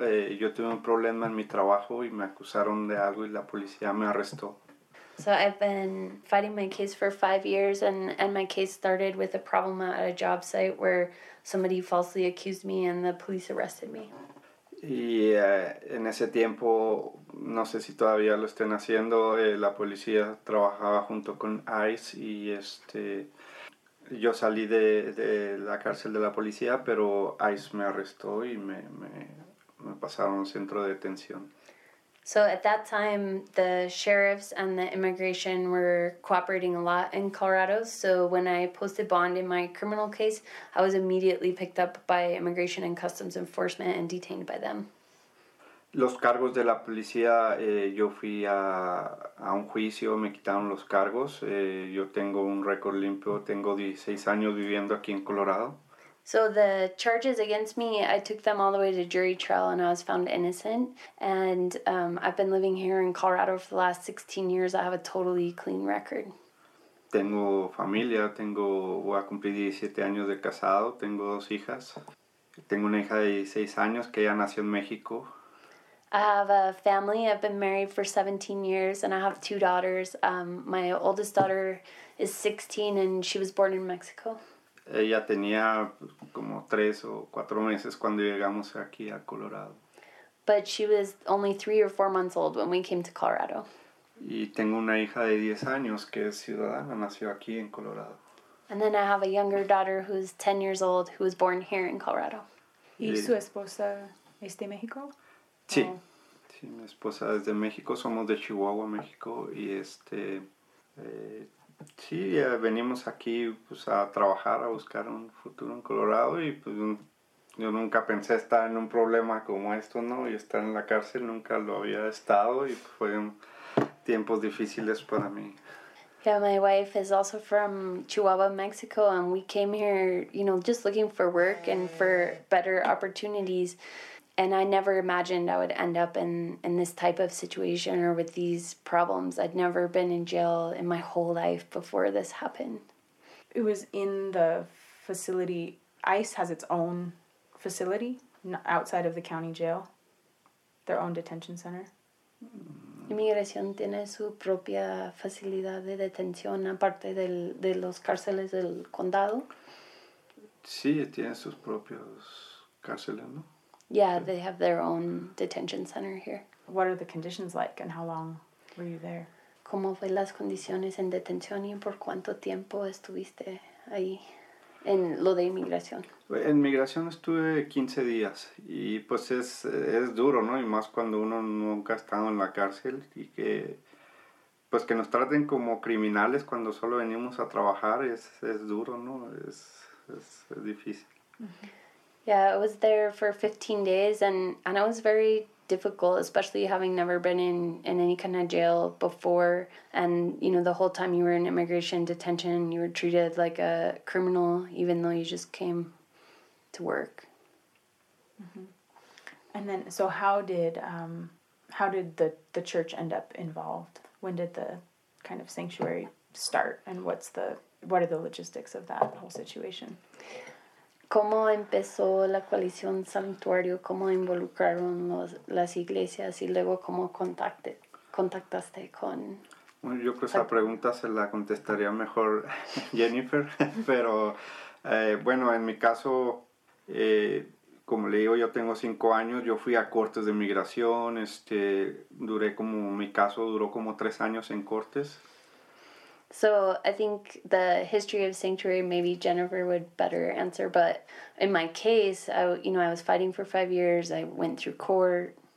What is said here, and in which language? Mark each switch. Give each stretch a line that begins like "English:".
Spanish: Yo tuve un problema en mi trabajo y me acusaron de algo y la policía me arrestó.
English: So I've been fighting my case for 5 years and my case started with a problem at a job site where somebody falsely accused me and the police arrested me.
Spanish: Y en ese tiempo, no sé si todavía lo estén haciendo, la policía trabajaba junto con ICE y Yo salí de la cárcel de la policía, pero ICE me arrestó y me pasaron a un centro de detención.
English: So at that time, the sheriffs and the immigration were cooperating a lot in Colorado. So when I posted bond in my criminal case, I was immediately picked up by Immigration and Customs Enforcement and detained by them.
Spanish: Los cargos de la policía, yo fui a un juicio, me quitaron los cargos. Yo tengo un récord limpio, tengo 16 años viviendo aquí en Colorado.
English: So the charges against me, I took them all the way to jury trial and I was found innocent. And I've been living here in Colorado for the last 16 years. I have a totally clean record.
Spanish: Tengo familia, voy a cumplir 17 años de casado, tengo dos hijas. Tengo una hija de 16 años que ya nació en México.
English: I have a family. I've been married for 17 years, and I have 2 daughters. My oldest daughter is 16, and she was born in Mexico.
Spanish: Ella tenía como 3 o 4 meses cuando llegamos aquí a Colorado.
English: But she was only 3 or 4 months old when we came to Colorado.
Spanish: Y tengo una hija de 10 años que es ciudadana, nació aquí en Colorado.
English: And then I have a younger daughter who's 10 years old, who was born here in Colorado.
Spanish: ¿Y su esposa es de México? Sí. Sí, mi esposa es de México, somos de Chihuahua, México, y venimos aquí pues, a trabajar, a buscar un futuro en Colorado, y pues yo nunca pensé estar en un problema como esto, ¿no? Y estar en la cárcel nunca lo había estado, y pues, fueron tiempos difíciles para mí.
English: Yeah, my wife is also from Chihuahua, Mexico, and we came here, you know, just looking for work and for better opportunities. And I never imagined I would end up in this type of situation or with these problems. I'd never been in jail in my whole life before this happened. It was in the facility. ICE has its own facility outside of the county jail, their own detention center.
Spanish: Inmigración tiene su propia facilidad de detención aparte de los cárceles del condado. Sí, tiene sus propios cárceles, ¿no?
English: Yeah, they have their own detention center here. What are the conditions like and how long were you there?
Spanish: ¿Cómo fue las condiciones en detención y por cuánto tiempo estuviste ahí en lo de inmigración? En inmigración estuve 15 días y pues es duro, ¿no? Y más cuando uno nunca ha estado en la cárcel y que pues que nos traten como criminales cuando solo venimos a trabajar es duro, ¿no? Es difícil. Mm-hmm.
English: Yeah, I was there for 15 days and it was very difficult, especially having never been in any kind of jail before. And, you know, the whole time you were in immigration detention, you were treated like a criminal, even though you just came to work. Mm-hmm. And then, so how did the church end up involved? When did the kind of sanctuary start? And what are the logistics of that whole situation?
Spanish: ¿Cómo empezó la coalición Santuario? ¿Cómo involucraron las iglesias y luego cómo contacté contactaste con... Bueno, yo creo que esa pregunta se la contestaría mejor Jennifer, pero bueno, en mi caso, como le digo, yo tengo 5 años, yo fui a cortes de migración, duré como, mi caso duró como 3 años en cortes.
English: So I think the history of sanctuary, maybe Jennifer would better answer, but in my case, I was fighting for 5 years, I went through court.